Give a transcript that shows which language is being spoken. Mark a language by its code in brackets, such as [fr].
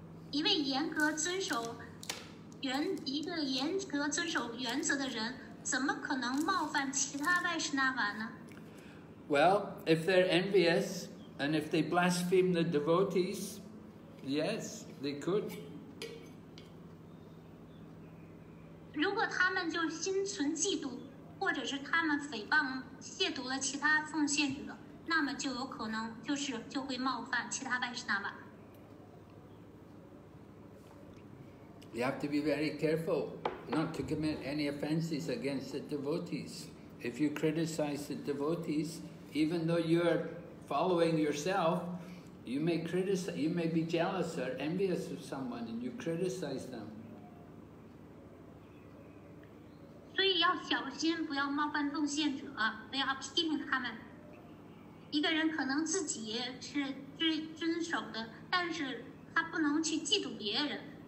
[zh] 一个严格遵守原则的人怎么可能冒犯其他 Vaishnava 呢？ [en] Well, if they're envious and if they blaspheme the devotees, yes, they could. [zh] 如果他们就心存嫉妒，或者是他们诽谤、亵渎了其他奉献者，那么就有可能就会冒犯其他Vaishnava。 [en] You have to be very careful not to commit any offenses against the devotees. If you criticize the devotees, even though you are following yourself, You may criticize, you may be jealous or envious of someone and you criticize them. [zh] 所以要小心，不要冒犯奉献者，不要批评他们。一个人可能自己是遵守的，但是他不能去嫉妒别人。